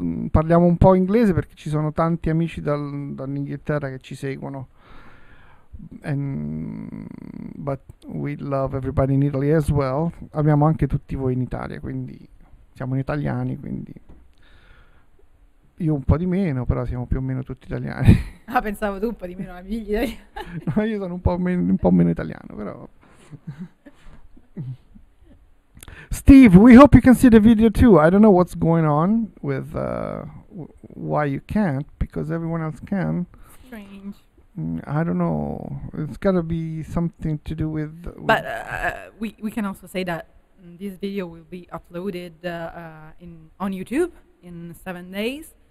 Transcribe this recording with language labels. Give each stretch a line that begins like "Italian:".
Italian: Parliamo un po' inglese perché ci sono tanti amici dall'Inghilterra che ci seguono.
English: But we love everybody in Italy as well.
Italian: Abbiamo anche tutti voi in Italia, quindi siamo italiani, quindi. Io un po' di meno, però siamo più o meno tutti italiani. Ah, pensavo tu un po' di meno, amici italiani. No, io sono un po' meno italiano, però.
English: Steve, we hope you can see the video too. I don't know what's going on with why you can't, because everyone else can. Strange. I don't know. It's got to be something to do with. But we can also say that this video will be uploaded on YouTube in 7 days.